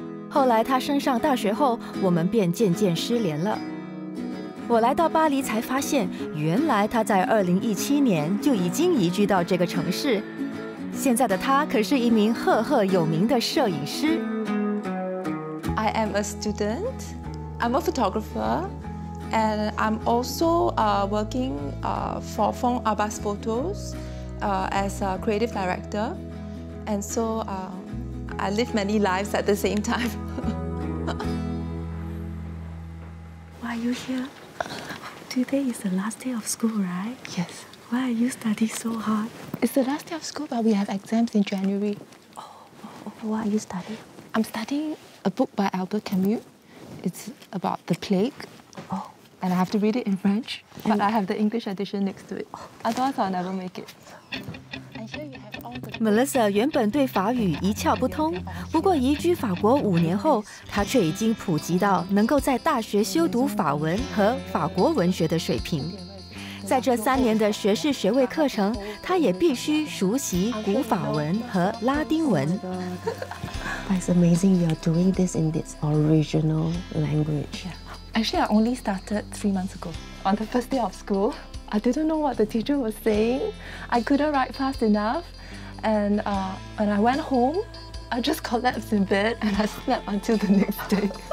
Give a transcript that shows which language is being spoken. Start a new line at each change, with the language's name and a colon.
Chinese: 后来她升上大学后，我们便渐渐失联了。我来到巴黎才发现，原来她在2017年就已经移居到这个城市。现在的她可是一名赫赫有名的摄影师。
English: I am a student. I'm a photographer. And I'm also working for Fong Abbas Photos as a creative director. And so I live many lives at the same time. Why are you here? Today is the last day of school, right? Yes. Why are you studying so hard? It's the last day of school, but we have exams in January. Oh, what are you studying? I'm studying a book by Albert Camus. It's about the plague. And I have to read it in French, but I have the English edition next to it. Otherwise, I'll never make it.
Chinese: Melissa 原本对法语一窍不通，不过移居法国五年后，她却已经普及到能够在大学修读法文和法国文学的水平。在这三年的学士学位课程，他也必须熟悉古法文和拉丁文。
English: It's amazing you are doing this in this original language. Actually, I only started 3 months ago on the first day of school. I didn't know what the teacher was saying. I couldn't write fast enough, and when I went home, I just collapsed in bed and I slept until the next day.